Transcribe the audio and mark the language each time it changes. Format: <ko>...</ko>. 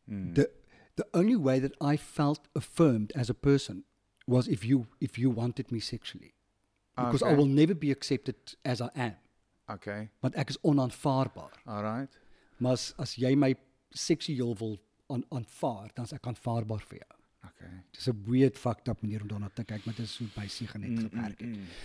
<en>The only way that I felt affirmed as a person was if you wanted me sexually. Because okay. I will never be accepted as I am. Okay.</en> <af>Want ek is onaanvaarbaar.</af> <en>All right.</en> <af>Maar as jy my seksueel wil aanvaar, dan is ek aanvaarbaar vir jou.</af> <en>Okay.</en> <af>Het is een weird fucked up manier om daarna te kyk, maar dit is hoe by Siegen het gewerk het.</af>